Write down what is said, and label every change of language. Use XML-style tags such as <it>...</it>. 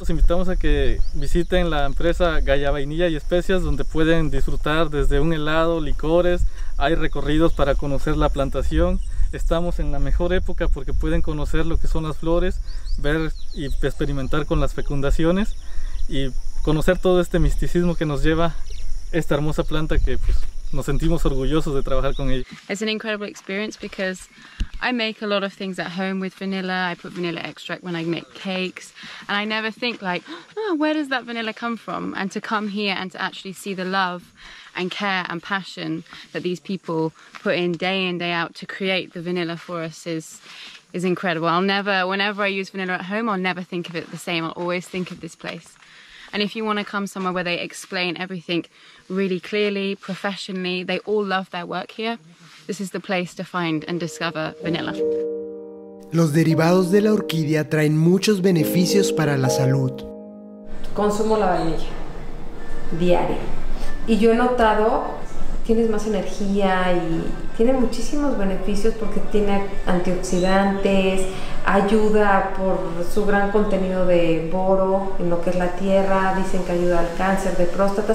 <es>Los invitamos a que visiten la empresa Gaia Vainilla y Especias, donde pueden disfrutar desde un helado, licores, hay recorridos para conocer la plantación. Estamos en la mejor época porque pueden conocer lo que son las flores, ver y experimentar con las fecundaciones y conocer todo este misticismo que nos lleva esta hermosa planta que pues nos sentimos orgullosos de trabajar con ella.</es> <en>It's an incredible experience because I make a lot of things at home with vanilla. I put vanilla extract when I make cakes and I never think like, oh, where does that vanilla come from? And to come here and to actually see the love and care and passion that these people put in, day out to create the vanilla for us is incredible. Whenever I use vanilla at home, I'll never think of it the same. I'll always think of this place. And if you want to come somewhere where they explain everything really clearly, professionally, they all love their work here, this is the place to find and discover vanilla.</en> <es>Los derivados de la orquídea traen muchos beneficios para la salud. Consumo la vainilla diaria. Y yo he notado, tienes más energía y tiene muchísimos beneficios porque tiene antioxidantes, ayuda por su gran contenido de boro en lo que es la tierra, dicen que ayuda al cáncer de próstata.</es>